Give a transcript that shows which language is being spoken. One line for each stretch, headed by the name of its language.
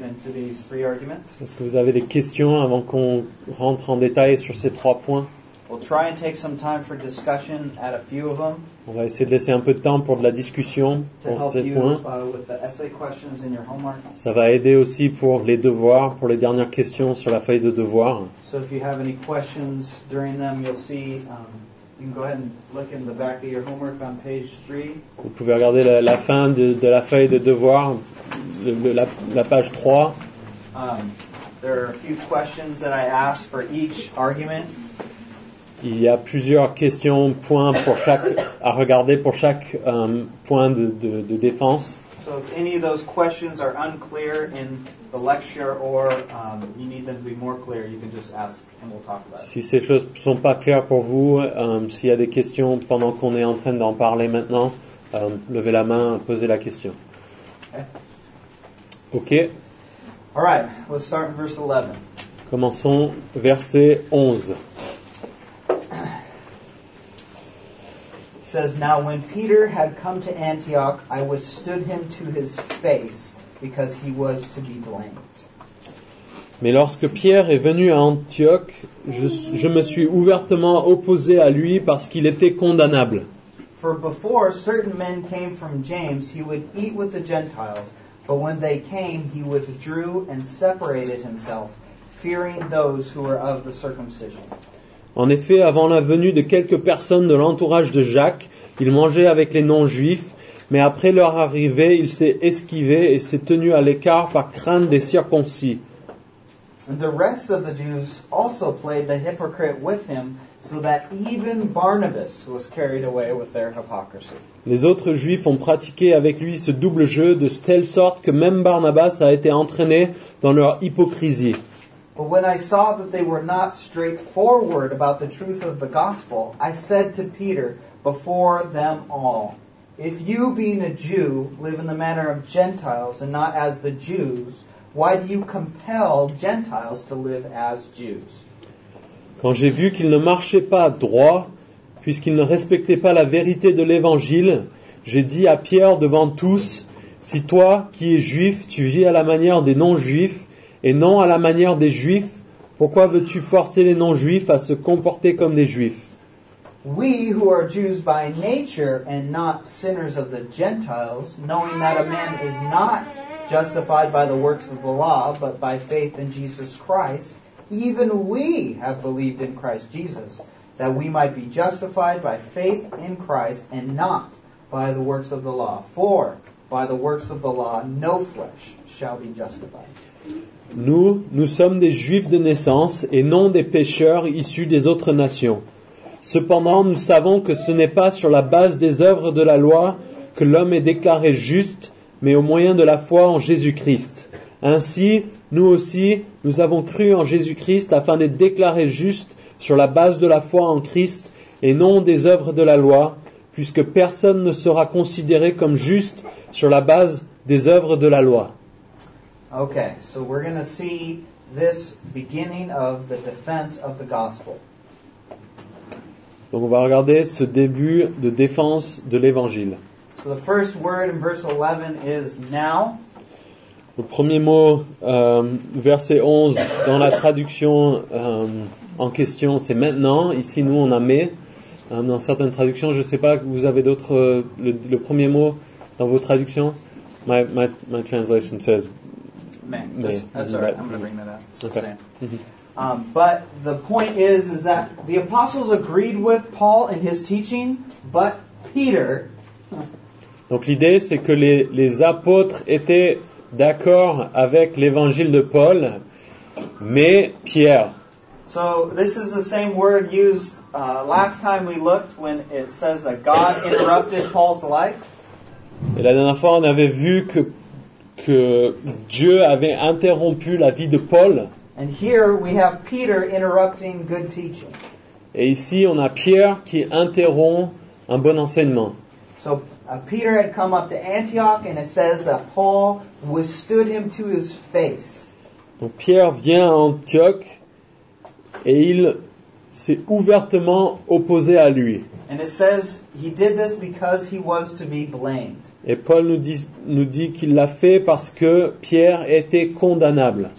French: Est-ce que vous avez des questions avant qu'on rentre en détail sur ces trois points? On va essayer de laisser un peu de temps pour de la discussion pour ces points.
English: With the essay questions in your homework.
French: Ça va aider aussi pour les devoirs, pour les dernières questions sur la feuille de devoir.
English: So if you have any questions during them, you'll see, you can go ahead and look in the back of your homework on page 3.
French: Vous pouvez regarder la fin de la feuille de devoir, la page 3.
English: There are a few questions that I ask for each argument.
French: Il y a plusieurs questions, points pour chaque, à regarder pour chaque point de défense.
English: So if any of those questions are unclear in the lecture or you need them to be more clear, you can just ask and we'll talk about it.
French: Si ces choses ne sont pas claires pour vous, s'il y a des questions pendant qu'on est en train d'en parler maintenant, levez la main, posez la question.
English: Ok. All right, let's start in verse 11.
French: Commençons verset 11.
English: It says, now when Peter had come to Antioch, I withstood him to his face, because he was to be blamed.
French: Mais lorsque Pierre est venu à Antioch, je me suis ouvertement opposé à lui parce qu'il était condamnable.
English: For before certain men came from James, he would eat with the Gentiles. But when they came, he withdrew and separated himself, fearing those who were of the circumcision.
French: En effet, avant la venue de quelques personnes de l'entourage de Jacques, il mangeait avec les non-juifs, mais après leur arrivée, il s'est esquivé et s'est tenu à l'écart par crainte des circoncis.
English: And the rest of the Jews also played the hypocrite with him, so that even Barnabas was carried away with their hypocrisy.
French: Les autres juifs ont pratiqué avec lui ce double jeu de telle sorte que même Barnabas a été entraîné dans leur hypocrisie.
English: But when I saw that they were not straightforward about the truth of the gospel, I said to Peter before them all, if you, being a Jew, live in the manner of Gentiles and not as the Jews, why do you compel Gentiles to live as Jews?
French: Quand j'ai vu qu'ils ne marchaient pas droit, puisqu'ils ne respectaient pas la vérité de l'évangile, j'ai dit à Pierre devant tous, si toi, qui es juif, tu vis à la manière des non-juifs, et non à la manière des Juifs, pourquoi veux-tu forcer les non-Juifs à se comporter comme des Juifs?
English: We who are Jews by nature and not sinners of the Gentiles, knowing that a man is not justified by the works of the law, but by faith in Jesus Christ, even we have believed in Christ Jesus, that we might be justified by faith in Christ and not by the works of the law. For by the works of the law no flesh shall be justified.
French: Nous sommes des Juifs de naissance et non des pécheurs issus des autres nations. Cependant, nous savons que ce n'est pas sur la base des œuvres de la loi que l'homme est déclaré juste, mais au moyen de la foi en Jésus-Christ. Ainsi, nous aussi, nous avons cru en Jésus-Christ afin d'être déclarés justes sur la base de la foi en Christ et non des œuvres de la loi, puisque personne ne sera considéré comme juste sur la base des œuvres de la loi.
English: Okay, so we're going to see this beginning of the defense of the gospel.
French: Donc on va regarder ce début de défense de l'évangile.
English: So the first word in verse 11 is now.
French: Le premier mot, verset 11, dans la traduction en question, c'est maintenant. Ici, nous, on a mais. Dans certaines traductions, je ne sais pas, vous avez d'autres. Le premier mot dans vos traductions?
English: My translation says. Mais. That's all right. I'm going to bring that up. It's the same. But the point is that the apostles agreed with Paul in his teaching, but Peter.
French: Donc l'idée, c'est que les apôtres étaient d'accord avec l'évangile de Paul, mais Pierre.
English: So this is the same word used last time we looked when it says that God interrupted Paul's life.
French: Et la dernière fois, on avait vu que Dieu avait interrompu la vie de Paul.
English: And here we have Peter interrupting good teaching.
French: Et ici, on a Pierre qui interrompt un bon enseignement.
English: So Peter had come up to Antioch, and it says that Paul withstood him to his face.
French: Donc Pierre vient à Antioch et il s'est ouvertement opposé à lui.
English: And it says he did this because he was to be blamed.
French: Et Paul nous dit qu'il l'a fait parce que Pierre était condamnable.